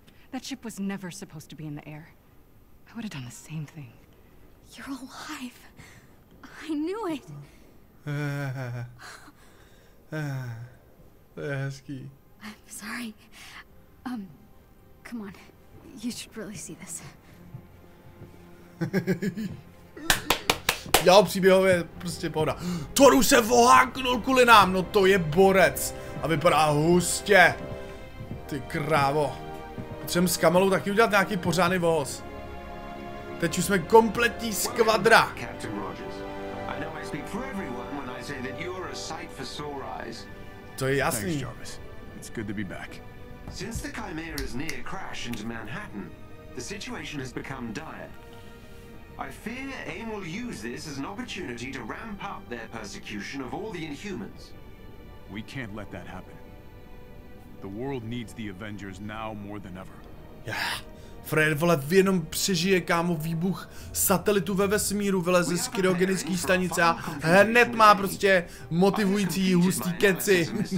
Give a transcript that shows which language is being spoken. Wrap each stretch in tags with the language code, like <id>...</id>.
<en>That ship was never supposed to be in the air. I would have done the same thing. You're alive. I knew it. I'm sorry. Come on. You should really see this.</en> <cs>Já příběhově prostě pohoda. Toru se voháknul kvůli nám, no to je borec. A vypadá hustě. Ty krávo. Potřebujeme s Kamalou taky udělat nějaký pořádný voz. Teď už jsme kompletní skvadra.</cs> <en>Captain Rogers. I know I speak for everyone when I say that you're a sight for sore eyes.</en> <cs>To je jasný.</cs> <en>Thanks, Jarvis. It's good to be back. Since the Chimera's near crash into Manhattan, the situation has become dire. I fear AIM will use this as an opportunity to ramp up their persecution of all the Inhumans. We can't let that happen. The world needs the Avengers now more than ever. Yeah.</en> <cs>Fred, vole, jenom přežije, kámo, výbuch satelitu ve vesmíru, vyleze z kryogenické stanice a hned má prostě motivující hustý keci.</cs>